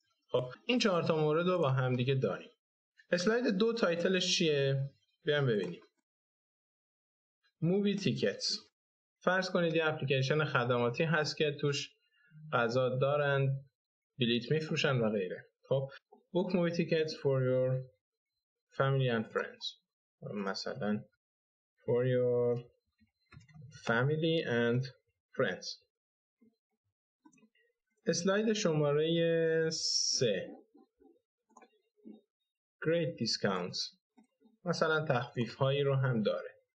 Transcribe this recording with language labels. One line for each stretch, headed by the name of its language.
Persian: خب این 4 تا مورد رو با هم دیگه داریم. اسلاید 2 تایتلش چیه؟ بیام ببینیم.
English: movie tickets.
Persian: فرض کنید یه اپلیکیشن خدماتی هست که توش غذا دارن، بلیت میفروشن و غیره. خب
English: book movie tickets for your family and friends،
Persian: مثلا
English: for your family and friends.
Persian: اسلاید شماره 3،
English: great discounts،
Persian: مثلا تخفیف هایی رو هم داره.